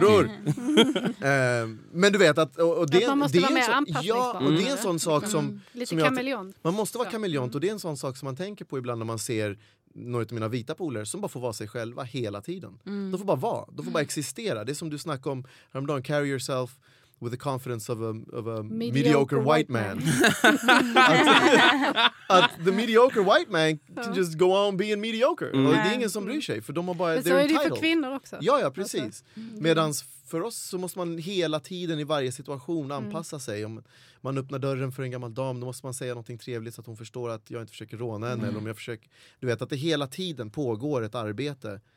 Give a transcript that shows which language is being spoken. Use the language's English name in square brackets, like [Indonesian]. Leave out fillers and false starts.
[Swedish] Bror. men du vet att... Och det, att man måste det vara mer anpassningsbar. Ja, och det är en sån sak som... lite som jag, kameleont. Man måste vara kameleont. Och det är en sån sak som man tänker på ibland när man ser några av mina vita polare som bara får vara sig själva hela tiden. Mm. De får bara vara. De får bara existera. Det är som du snackade om häromdagen. [English] Carry yourself with the confidence of a mediocre white man. Att the mediocre white man can just go on being mediocre. [Swedish] Mm. Och det är ingen som bryr sig. För de har bara, men så är det för kvinnor också. Ja, ja, precis. Mm. Medan för oss så måste man hela tiden i varje situation anpassa sig. Om man öppnar dörren för en gammal dam, då måste man säga någonting trevligt så att hon förstår att jag inte försöker råna henne. Mm. Eller om jag försöker, du vet, att det hela tiden pågår ett arbete.